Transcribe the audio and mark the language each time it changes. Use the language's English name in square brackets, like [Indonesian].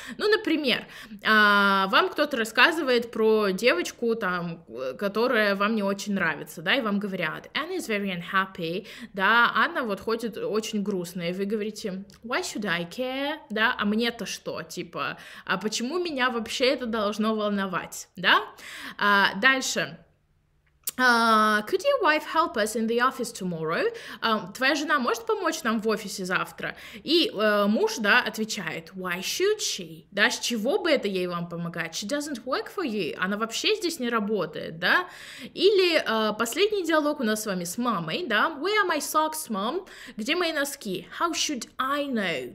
[Russian] Ну, например, вам кто-то рассказывает про девочку, там, которая вам не очень нравится, да, и вам говорят [English] Anna is very unhappy, [Russian] да, Анна вот ходит очень грустно, и вы говорите [English] why should I care, [Russian] да, а мне-то что, типа, а почему меня вообще это должно волновать, да? Дальше. [English] Could your wife help us in the office tomorrow? [Russian] Твоя жена может помочь нам в офисе завтра? И муж, да, отвечает, [English] why should she? [Russian] Да, с чего бы это ей вам помогать? [English] She doesn't work for you. [Russian] Она вообще здесь не работает, да? Или последний диалог у нас с вами с мамой, да? [English] Where are my socks, mom? [Russian] Где мои носки? [English] How should I know?